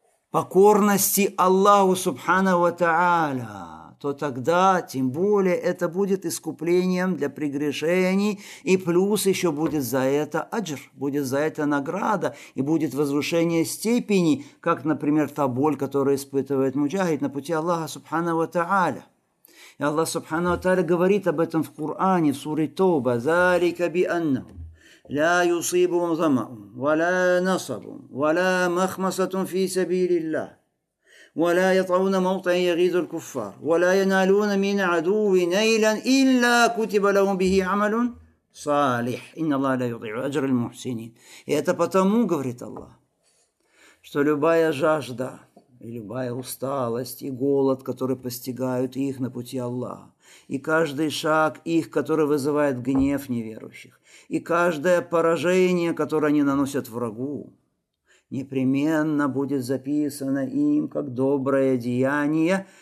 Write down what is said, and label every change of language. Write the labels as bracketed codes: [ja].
[ru] покорности Аллаху Субхана ва Тааля, то тогда, тем более, это будет искуплением для прегрешений, и плюс еще будет за это аджр, будет за это награда, и будет возвышение степени, как, например, та боль, которую испытывает муджахид на пути Аллаха Субхана ва Тааля. И Аллах Субхана ва Тааля говорит об этом в Коране, в суре Тоба, [ar] «Залика би анна». «Ля юсибум замаум, валя насабум, валя махмасатум фи сабили Ллах». ولا يطعون موطعا يغيظ الكفار ولا ينالون من عدو نيلا الا كتب لهم به عمل صالح ان الله لا يضيع اجر المحسنين. [ru] И это потому, говорит Аллах, что любая жажда и любая усталость и голод, которые постигают их на пути Аллаха, и каждый шаг их, который вызывает гнев неверующих, и каждое поражение, которое они наносят врагу, непременно будет записано им как доброе деяние.